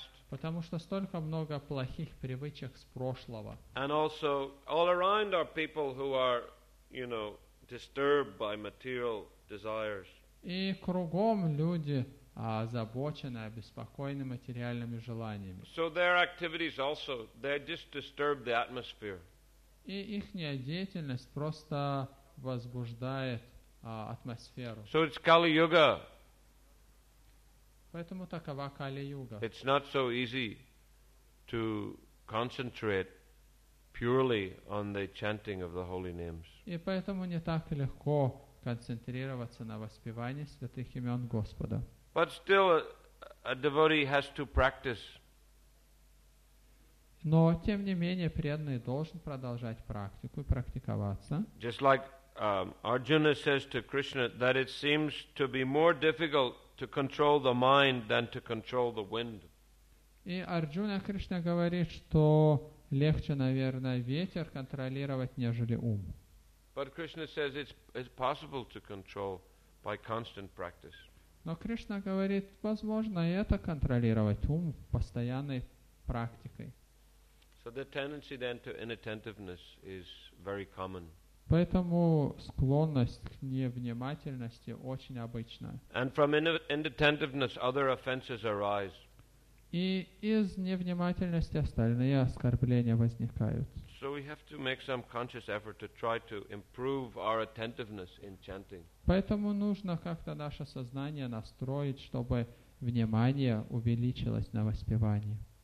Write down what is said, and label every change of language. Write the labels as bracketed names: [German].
[Russian] Потому что столько много плохих привычек с прошлого. [English] And also, all around are people who are, you know, disturbed by material desires. [Russian] И кругом люди озабочены, обеспокоены материальными желаниями. [English] So their activities also, they just disturb the atmosphere. [Russian] И ихняя деятельность просто возбуждает атмосферу. [English] So it's Kali-Yuga. [Russian] Поэтому такова Кали-Юга. [English] It's not so easy to concentrate purely on the chanting of the holy names. [Russian] И поэтому не так легко концентрироваться на воспевании святых имен Господа. [English] But still, a devotee has to practice. [Russian] Но, тем не менее, преданный должен продолжать практику и практиковаться. [English] Just like Arjuna says to Krishna, that it seems to be more difficult to control the mind than to control the wind. [Russian] И Арджуна Кришна говорит, что легче, наверное, ветер контролировать, нежели ум. [English] But Krishna says it's possible to control by constant practice. [Russian] Но Кришна говорит, возможно, и это контролировать ум постоянной практикой. [English] So the tendency then to inattentiveness is very common. [Russian] Поэтому склонность к невнимательности очень обычна. [English] And from inattentiveness other offenses arise. [Russian] И из невнимательности остальные оскорбления возникают. [English] So we have to make some conscious effort to try to improve our attentiveness in chanting. [Russian] Поэтому нужно как-то наше сознание настроить, чтобы внимание увеличилось на воспевании.